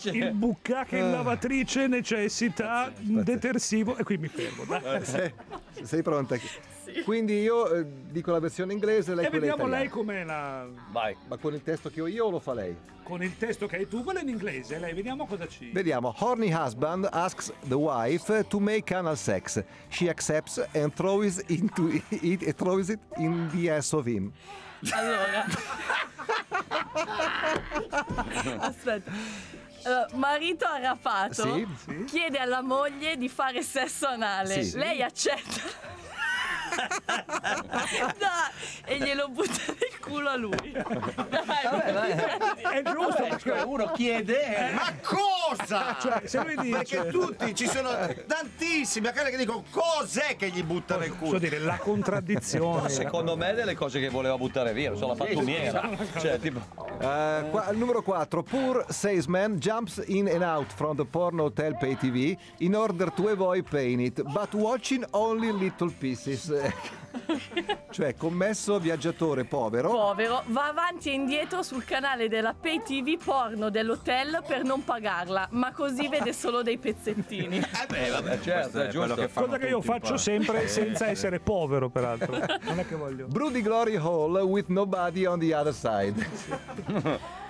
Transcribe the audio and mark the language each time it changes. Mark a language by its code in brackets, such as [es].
[it] Il bukkake in lavatrice necessita un detersivo. E qui mi fermo. Sei pronta? Sì. Quindi io dico la versione inglese, lei e vediamo italiana. Lei com'è la. Vai. Ma con il testo che ho io o lo fa lei? Con il testo che hai tu, quello in inglese, lei, vediamo cosa ci. Vediamo. [en] Horny husband asks the wife to make anal sex. She accepts and throws it in the ass of him. [it] Allora. Aspetta. Marito arrapato, sì, chiede alla moglie di fare sesso anale, sì, lei accetta. Dai, e glielo butta nel culo a lui. Dai, è giusto. Vabbè, cioè, uno chiede, ma cosa? Cioè, se lui dice. Perché tutti ci sono tantissimi a casa che dicono cos'è che gli butta nel culo. Posso dire la contraddizione. No, secondo me, delle cose che voleva buttare via, sono la pattumiera. Cioè, tipo. Qua, numero 4. [en] Poor salesman jumps in and out from the porn hotel pay TV in order to avoid paying it, but watching only little pieces. [it] Cioè, commesso viaggiatore povero va avanti e indietro sul canale della pay TV porno dell'hotel per non pagarla, ma così vede solo dei pezzettini. Vabbè, certo, è giusto. Cosa che io faccio sempre senza essere povero, peraltro. Non è che voglio. [en] Broody Glory Hall with nobody on the other side.